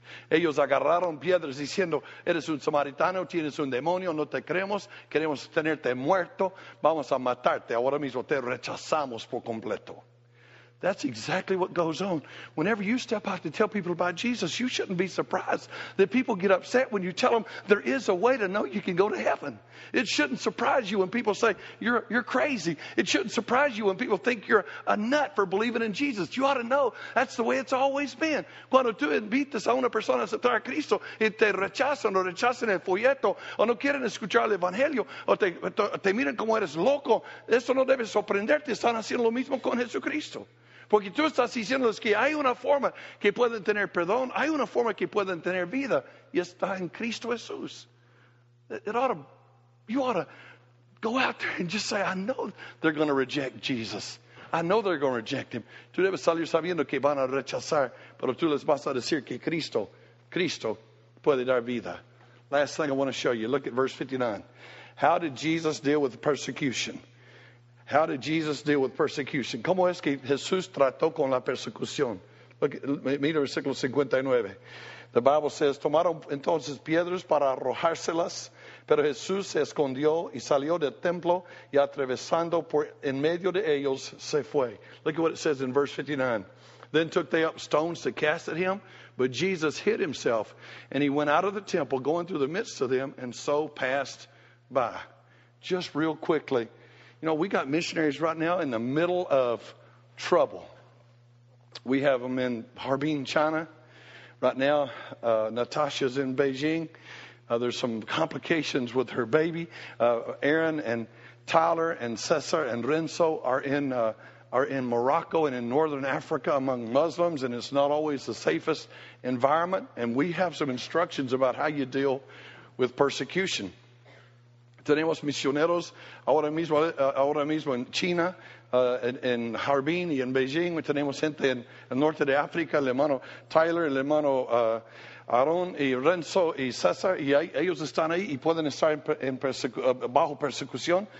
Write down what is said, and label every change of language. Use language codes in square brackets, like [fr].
[es] Ellos agarraron piedras diciendo, eres un samaritano, tienes un demonio, no te creemos, queremos tenerte muerto, vamos a matarte, ahora mismo te rechazamos por completo. [en] That's exactly what goes on. Whenever you step out to tell people about Jesus, you shouldn't be surprised that people get upset when you tell them there is a way to know you can go to heaven. It shouldn't surprise you when people say you're crazy. It shouldn't surprise you when people think you're a nut for believing in Jesus. You ought to know that's the way it's always been. [es] Cuando tú invitas a una persona a aceptar a Cristo y te rechazan o rechazan el folleto o no quieren escuchar el evangelio o te miran como eres loco, eso no debe sorprenderte. Están haciendo lo mismo con Jesucristo. Porque tú estás diciéndoles que hay una forma que pueden tener perdón, hay una forma que pueden tener vida, y está en Cristo Jesús. [en] You ought to go out there and just say, I know they're going to reject Jesus. I know they're going to reject him. [es] Tú debes salir sabiendo que van a rechazar, pero tú les vas a decir que Cristo puede dar vida. [en] Last thing I want to show you, look at verse 59. How did Jesus deal with persecution? How did Jesus deal with persecution? [es] ¿Cómo es que Jesús trató con la persecución? Mira versículo 59. [en] The Bible says, [es] tomaron entonces piedras para arrojárselas, pero Jesús se escondió y salió del templo y atravesando por en medio de ellos se fue. [en] Look at what it says in verse 59. Then took they up stones to cast at him. But Jesus hid himself, and he went out of the temple, going through the midst of them, and so passed by. Just real quickly, you know, we got missionaries right now in the middle of trouble. We have them in Harbin, China. Right now, Natasha's in Beijing. There's some complications with her baby. Aaron and Tyler and Cesar and Renzo are in Morocco and in northern Africa among Muslims, and it's not always the safest environment. And we have some instructions about how you deal with persecution. [es] Tenemos misioneros ahora mismo en China, en Harbin y en Beijing. Tenemos gente en el norte de África, el hermano Tyler, el hermano Aaron y Renzo y César. Y ellos están ahí y pueden estar bajo persecución.